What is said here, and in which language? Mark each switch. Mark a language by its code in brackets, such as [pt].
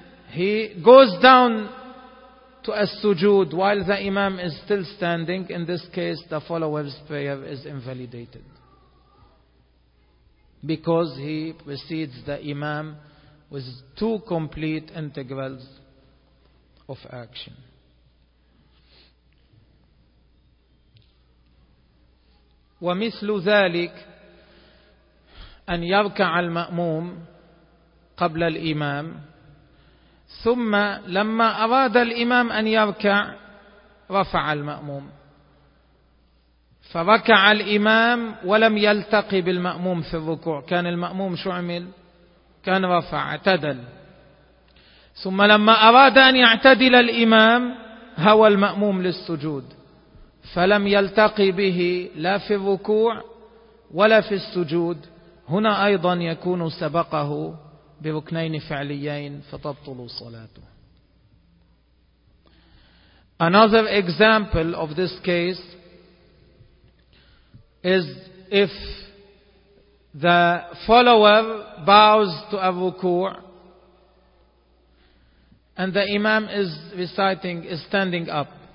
[en] He goes down to a sujood while the imam is still standing. In this case, the follower's prayer is invalidated because he precedes the imam with two complete integrals of action. [ar] ومثل ذلك أن يركع المأموم قبل الإمام ثم لما أراد الإمام أن يركع رفع المأموم فركع الإمام ولم يلتقي بالمأموم في الركوع. كان المأموم شو عمل؟ كان رفع, اعتدل, ثم لما أراد أن يعتدل الإمام هوى المأموم للسجود فلم يلتقي به لا في الركوع ولا في السجود. هنا أيضا يكون سبقه بركنين فعليين فتبطل صلاته. [en] Another example of this case is if the follower bows to a ruku and the imam is reciting, is standing up.